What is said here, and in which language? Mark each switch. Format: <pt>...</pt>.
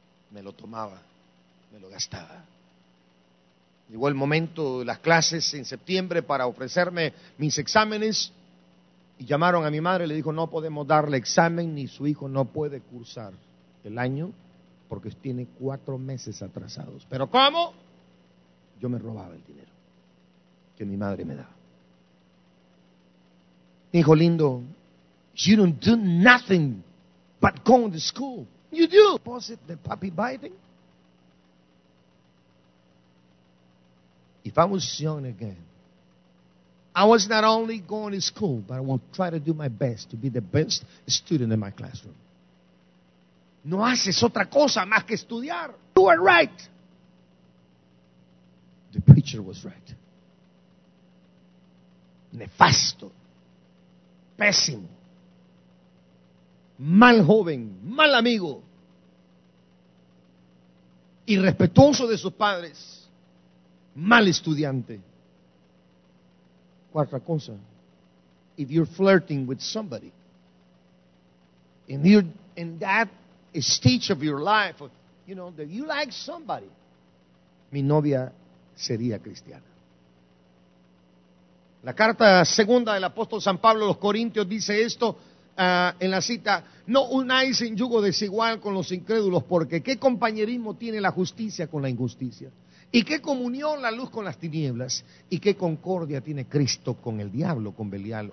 <es>Me lo tomaba, me lo gastaba. Llegó el momento de las clases en septiembre para ofrecerme mis exámenes y llamaron a mi madre y le dijo, no podemos darle examen ni su hijo no puede cursar el año porque tiene 4 meses atrasados. ¿Pero cómo? Yo me robaba el dinero que mi madre me daba. Hijo lindo,</es> <en>you don't do nothing but go to school. You do. Was it the puppy biting? If I was young again, I was not only going to school, but I will try to do my best to be the best student in my classroom.</en> <es>No haces otra cosa más que estudiar.</es> <en>You are right. The preacher was right.</en> <es>Nefasto. Pésimo. Mal joven. Mal amigo. Irrespetuoso de sus padres. Mal estudiante. Cuarta cosa.</es> <en>If you're flirting with somebody, in that stage of your life, you know, that you like somebody,</en> <es>mi novia sería cristiana. La carta segunda del apóstol San Pablo a los Corintios dice esto en la cita, no unáis en yugo desigual con los incrédulos, porque ¿qué compañerismo tiene la justicia con la injusticia? ¿Y qué comunión la luz con las tinieblas? ¿Y qué concordia tiene Cristo con el diablo, con Belial?</es>